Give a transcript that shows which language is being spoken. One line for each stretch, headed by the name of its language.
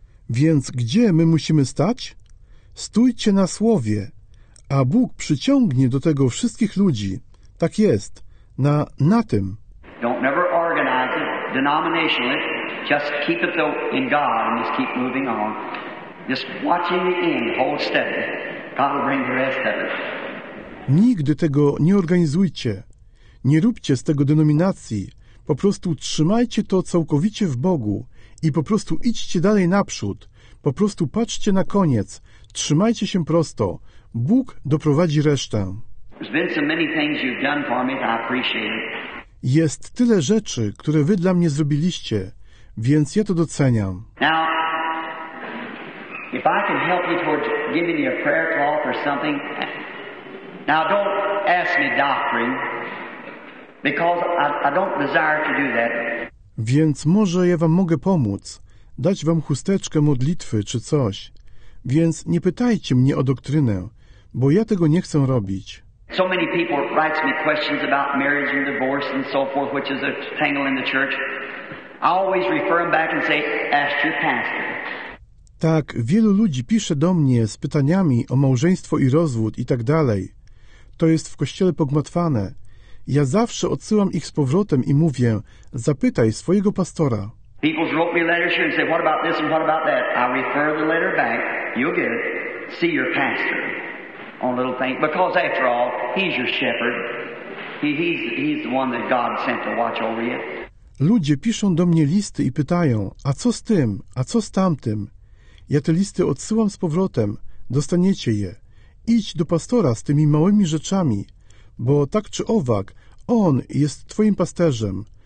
Polish: Więc gdzie my musimy stać? Stójcie na słowie, a Bóg przyciągnie do tego wszystkich ludzi. Tak jest. Na tym.
English: Don't never organize it denominationally. Just keep it in God and just keep moving on. Just watch in the end, hold steady. God will bring the rest of it.
Polish: Nigdy tego nie organizujcie. Nie róbcie z tego denominacji. Po prostu trzymajcie to całkowicie w Bogu i po prostu idźcie dalej naprzód. Po prostu patrzcie na koniec. Trzymajcie się prosto. Bóg doprowadzi resztę.
English: There's been so many things you've done for me, I appreciate it.
Polish: Jest tyle rzeczy, które wy dla mnie zrobiliście, więc ja to doceniam.
English: Now, if I can help you towards giving you a prayer cloth or something, now don't ask me doctrine, because I don't desire to do that.
Polish: Więc może ja wam mogę pomóc, dać wam chusteczkę modlitwy czy coś. Więc nie pytajcie mnie o doktrynę, bo ja tego nie chcę robić.
English: So many people write me questions about marriage and divorce and so forth, which is a tangle in the church. I always refer them back and say, ask your pastor.
Polish: Tak, wielu ludzi pisze do mnie z pytaniami o małżeństwo i rozwód i tak dalej. To jest w kościele pogmatwane. Ja zawsze odsyłam ich z powrotem i mówię, zapytaj swojego pastora.
English: People's wrote me letters here and said, what about this and what about that? I refer the letter back. You'll get it. See your pastor on little things. Because after all, he's your shepherd. He's the one that God sent to watch over you.
Polish: Ludzie piszą do mnie listy i pytają, a co z tym, a co z tamtym? Ja te listy odsyłam z powrotem. Dostaniecie je. Idź do pastora z tymi małymi rzeczami. Bo tak czy owak, on jest twoim pasterzem.